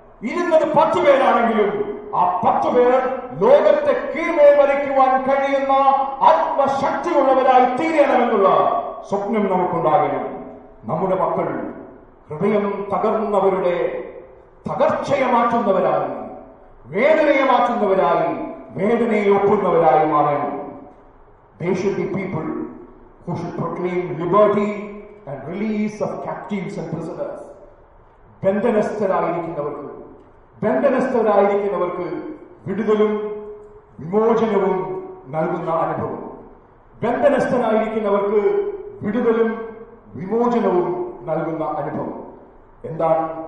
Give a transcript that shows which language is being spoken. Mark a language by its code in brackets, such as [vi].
[ml] ഇരുന്നത് 10 പേരാണെങ്കിലും ആ 10 പേർ ലോകത്തെ കീഴ്മേൽ വലിക്കുവാൻ കഴിയുന്ന ആത്മശക്തിയുള്ളവരായി തീരണമെന്നുള്ള സ്വപ്നം നമുക്കുണ്ടാകണം. നമ്മുടെ മക്കൾ ഹൃദയം തകർന്നവരുടെ തകർച്ചയെ മാറ്റുന്നവരായി, വേദനയെ മാറ്റുന്നവരായി, വേദനയെ ഒപ്പുന്നവരായി മാറണം. [en] They should be people who should proclaim liberty and release of captives and prisoners. [ml] ബന്ധനസ്ഥരായിരിക്കുന്നവർക്ക് വിടുതലും വിമോചനവും നൽകുന്ന അനുഭവം. ബന്ധനസ്ഥനായിരിക്കുന്നവർക്ക് വിടുതലും വിമോചനവും നൽകുന്ന അനുഭവം എന്താണ്?